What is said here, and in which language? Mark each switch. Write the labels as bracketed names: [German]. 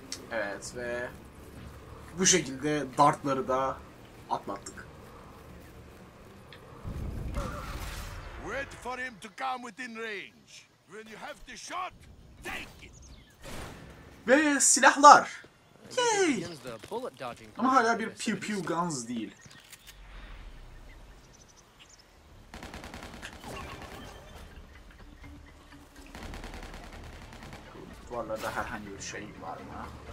[Turkish] Evet ve bu şekilde dartları da atlattık. [English] Wait for him to come within range. When you have the shot, take it. [Turkish] Ve silahlar. Yay. Ama hala bir [English] pew pew guns [Turkish] değil. Duvarlarda herhangi bir şey var mı?